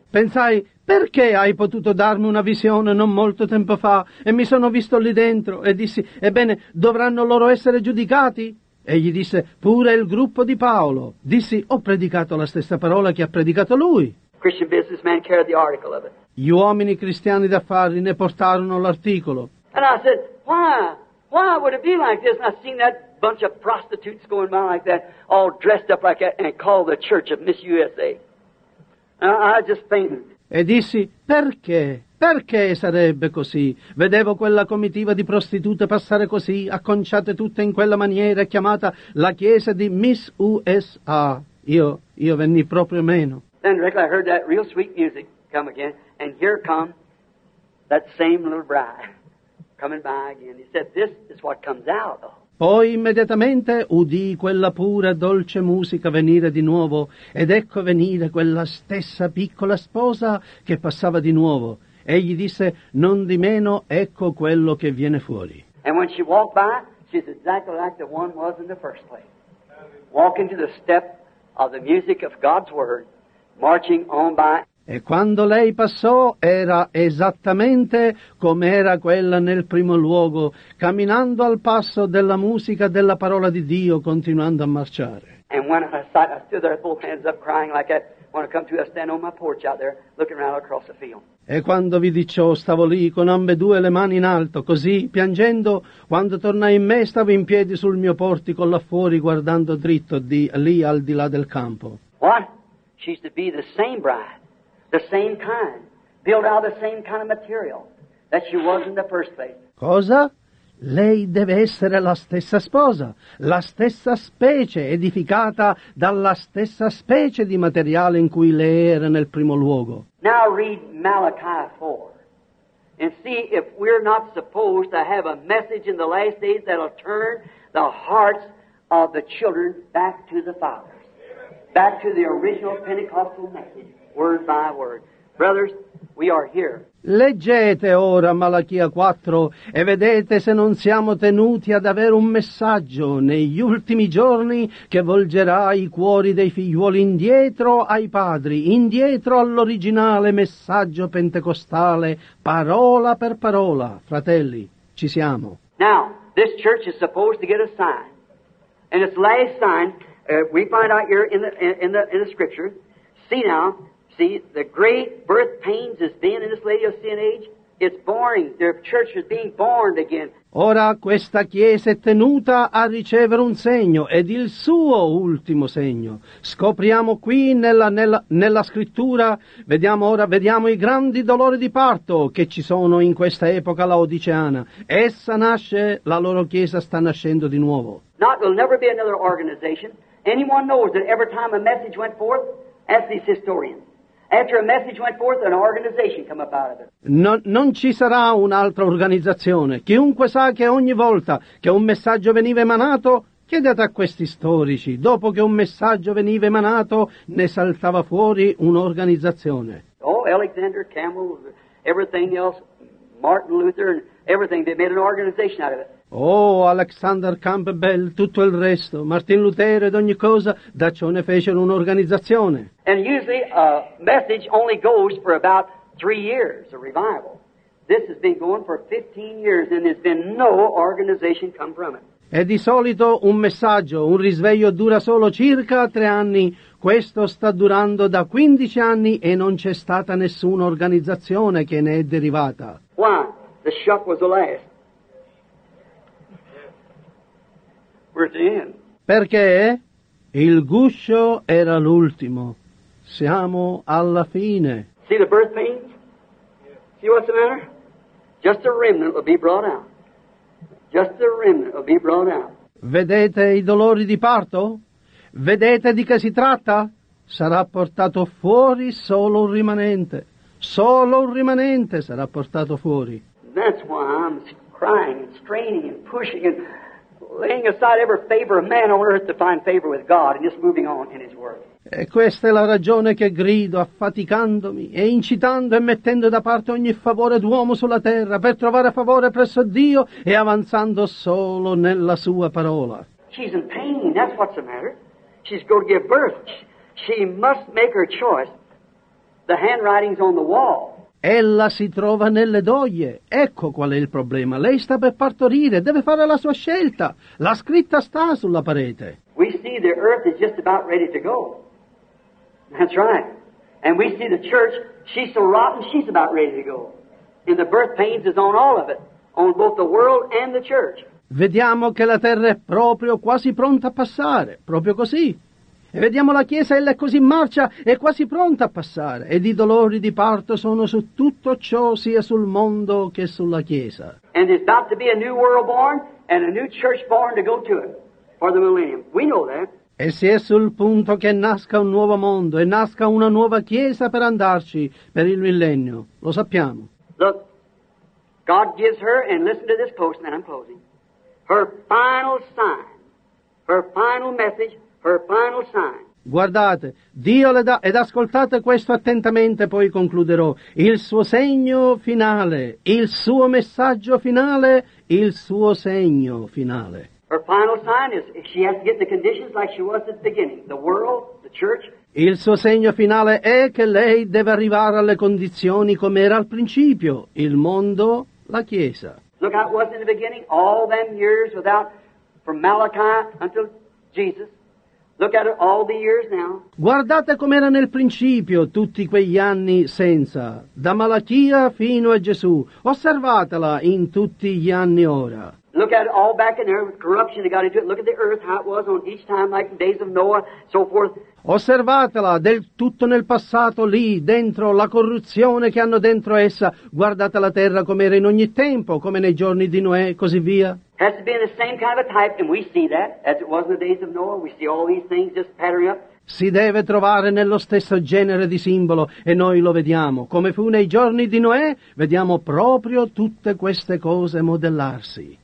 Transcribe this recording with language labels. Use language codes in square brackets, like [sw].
[it] Pensai, perché hai potuto darmi una visione non molto tempo fa? E mi sono visto lì dentro e dissi, ebbene, dovranno loro essere giudicati? E gli disse, pure il gruppo di Paolo. Dissi, ho predicato la stessa parola che ha predicato lui. [en] Christian businessman carried the article of it. [it] Gli uomini cristiani d'affari ne portarono l'articolo. [en] And I said, why would it be like this? And I seen that bunch of prostitutes going by like that, all dressed up like that, and called the church of Miss USA. And I just fainted. [it] E dissi, perché? Perché sarebbe così? Vedevo quella comitiva di prostitute passare così, acconciate tutte in quella maniera, chiamata la chiesa di Miss USA. Io venni proprio meno. [en] Then directly I heard that real sweet music come again, and here come that same little bride coming by again. He said, this is what comes out. [it] Poi immediatamente udii quella pura dolce musica venire di nuovo, ed ecco venire quella stessa piccola sposa che passava di nuovo. Egli disse, non di meno, ecco quello che viene fuori. [en] And when she walked by, she's exactly like the one was in the first place. Walking to the step of the music of God's word. Marching on by. [it] E quando lei passò, era esattamente come era quella nel primo luogo, camminando al passo della musica della parola di Dio, continuando a marciare. [en] And when I stood there, both hands up, crying like that, when I come to, I stand on my porch out there, looking around across the field. [it] E quando vidi ciò, stavo lì con ambedue le mani in alto, così, piangendo, quando tornai in me, stavo in piedi sul mio portico là fuori, guardando dritto lì al di là del campo. [en] What? She's to be the same bride, the same kind, built out of the same kind of material that she was in the first place. [it] Cosa? Lei deve essere la stessa sposa, la stessa specie, edificata dalla stessa specie di materiale in cui lei era nel primo luogo. [en] Now read Malachi 4 and see if we're not supposed to have a message in the last days that'll turn the hearts of the children back to the fathers, back to the original Pentecostal message, word by word. Brothers, we are here. [it] Leggete ora Malachia 4 e vedete se non siamo tenuti ad avere un messaggio negli ultimi giorni che volgerà i cuori dei figliuoli indietro ai padri, indietro all'originale messaggio pentecostale, parola per parola. Fratelli, ci siamo. [en] Now, this church is supposed to get a sign. And its last sign, we find out here in the scripture, see now, see, the great birth pains is being in this lady of sin age. It's boring. Their church is being born again. [it] Ora questa chiesa è tenuta a ricevere un segno, ed il suo ultimo segno. Scopriamo qui nella scrittura, vediamo i grandi dolori di parto che ci sono in questa epoca laodiceana. Essa nasce, la loro chiesa sta nascendo di nuovo. [en] Not, there will never be another organization. Anyone knows that every time a message went forth, ask these historians. After a message went forth, an organization came about it. [it] Non ci sarà un'altra organizzazione. Chiunque sa che ogni volta che un messaggio veniva emanato, chiedete a questi storici, dopo che un messaggio veniva emanato, ne saltava fuori un'organizzazione. [en] Oh, Alexander Campbell, everything else, Martin Luther, and everything, they made an organization out of it. [it] Oh, Alexander Campbell, tutto il resto, Martin Lutero ed ogni cosa, da ciò ne fecero un'organizzazione. [en] And usually a message only goes for about 3 years, a revival. This has been going for 15 years and there's been no organization come from it. [it] E di solito un messaggio, un risveglio dura solo circa 3 anni. Questo sta durando da 15 anni e non c'è stata nessuna organizzazione che ne è derivata. [en] Why? The shock was the last. [it] Perché il guscio era l'ultimo. Siamo alla fine. [en] See the birth pains? See what's the matter? Just a remnant will be brought out. Just a remnant will be brought out. [it] Vedete i dolori di parto? Vedete di che si tratta? Sarà portato fuori solo un rimanente. Solo un rimanente sarà portato fuori. [en] That's why I'm crying and straining and pushing and laying aside every favor of man on earth to find favor with God and just moving on in His Word. [it] E questa è la ragione che grido, affaticandomi e incitando e mettendo da parte ogni favore d'uomo sulla terra per trovare favore presso Dio e avanzando solo nella Sua parola. [en] She's in pain, that's what's the matter. She's going to give birth. She must make her choice. The handwriting's on the wall. [it] Ella si trova nelle doglie. Ecco qual è il problema. Lei sta per partorire, deve fare la sua scelta. La scritta sta sulla parete. [en] We see the earth is just about ready to go. That's right. And we see the church, she's so rotten, she's about ready to go. And the birth pains is on all of it, on both the world and the church. [it] Vediamo che la terra è proprio quasi pronta a passare, proprio così. E vediamo la Chiesa, ella è così in marcia, è quasi pronta a passare. Ed i dolori di parto sono su tutto ciò, sia sul mondo che sulla Chiesa. [en] And there's about to be a new world born and a new church born to go to it for the millennium. We know that. [it] E si è sul punto che nasca un nuovo mondo e nasca una nuova Chiesa per andarci per il millennio. Lo sappiamo. [en] Look, God gives her, and listen to this post, and I'm closing, her final sign, her final message. Her final sign. [it] Guardate, Dio le dà, ed ascoltate questo attentamente, poi concluderò. Il suo segno finale, il suo messaggio finale, il suo segno finale. [en] Her final sign is she has to get the conditions like she was at the beginning, the world, the church. [it] Il suo segno finale è che lei deve arrivare alle condizioni come era al principio, il mondo, la Chiesa. [en] Look how it was in the beginning, all them years without, from Malachi until Jesus. Look at it all the years now. [it] Guardate com'era nel principio tutti quegli anni senza, da Malachia fino a Gesù. Osservatela in tutti gli anni ora. [en] Look at it all back in there, corruption that got into it. Look at the earth, how it was on each time, like the days of Noah, so forth. [it] Osservatela del tutto nel passato, lì dentro la corruzione che hanno dentro essa. Guardate la terra come era in ogni tempo, come nei giorni di Noè, così via. [en] Has to be in the same kind of a type, and we see that, as it was in the days of Noah. We see all these things just pattering up. [it] Si deve trovare nello stesso genere di simbolo, e noi lo vediamo. Come fu nei giorni di Noè, vediamo proprio tutte queste cose modellarsi.